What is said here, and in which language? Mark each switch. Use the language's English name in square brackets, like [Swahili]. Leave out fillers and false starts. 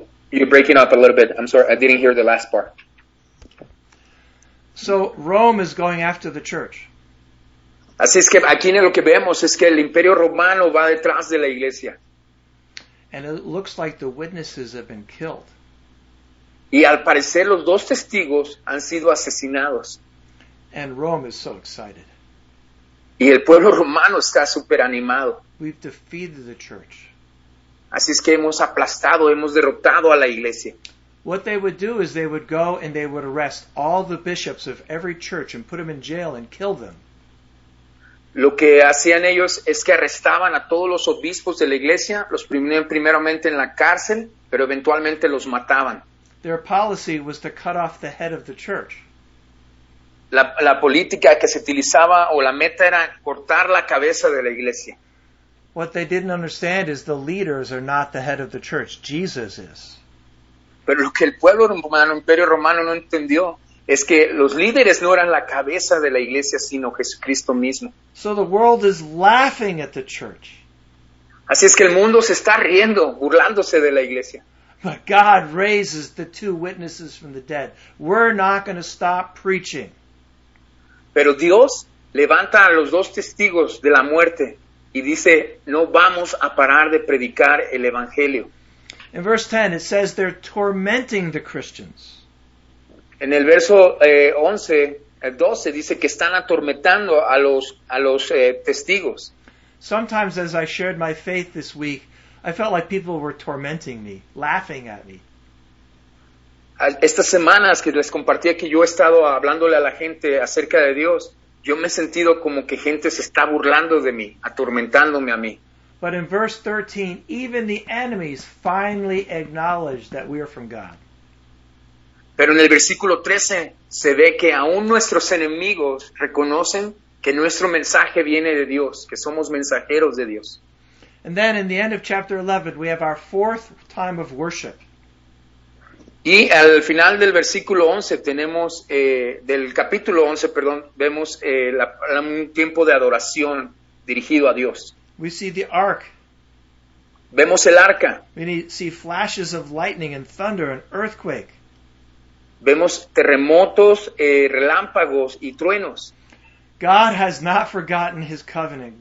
[English] You're breaking up a little bit. I'm sorry, I didn't hear the last part. So Rome is going after the church. [Spanish] Así es que aquí lo que vemos es que el Imperio Romano va detrás de la iglesia. [English] And it looks like the witnesses have been killed. [Spanish] Y al parecer los 2 testigos han sido asesinados. [English] And Rome is so excited. [Spanish] Y el pueblo romano está súper animado. [English] We've defeated the church. [Spanish] Así es que hemos aplastado, hemos derrotado a la iglesia. [English] What they would do is they would go and they would arrest all the bishops of every church and put them in jail and kill them. [Spanish] Lo que hacían ellos es que arrestaban a todos los obispos de la iglesia, los ponían primeramente en la cárcel, pero eventualmente los mataban. [English] Their policy was to cut off the head of the church. [Spanish] La política que se utilizaba o la meta era cortar la cabeza de la iglesia. [English] What they didn't understand is the leaders are not the head of the church. Jesus is. [Spanish] Pero lo que el pueblo romano, el Imperio Romano, no entendió es que los líderes no eran la cabeza de la iglesia, sino Jesucristo mismo. [English] So the world is laughing at the church. [Spanish] Así es que el mundo se está riendo, burlándose de la iglesia. [English] But God raises the 2 witnesses from the dead. We're not going to stop preaching. [Spanish] Pero Dios levanta a los 2 testigos de la muerte y dice, no vamos a parar de predicar el Evangelio. [English] In verse 10, it says they're tormenting the Christians. [Spanish] En el verso 12, dice que están atormentando a los testigos. [English] Sometimes as I shared my faith this week, I felt like people were tormenting me, laughing at me. [Spanish] Estas semanas que les compartía que yo he estado hablándole a la gente acerca de Dios, yo me he sentido como que gente se está burlando de mí, atormentándome a mí. [English] But in verse 13, even the enemies finally acknowledge that we are from God. [Spanish] Pero en el versículo 13 se ve que aún nuestros enemigos reconocen que nuestro mensaje viene de Dios, que somos mensajeros de Dios. [English] And then in the end of chapter 11, we have our 4th time of worship. [Spanish] Y al final del versículo 11 tenemos, del capítulo 11, perdón, vemos un tiempo de adoración dirigido a Dios. [English] We see the ark. [Spanish] Vemos el arca. [English] We see flashes of lightning and thunder and earthquake. [Spanish] Vemos terremotos, relámpagos y truenos. [English] God has not forgotten his covenant.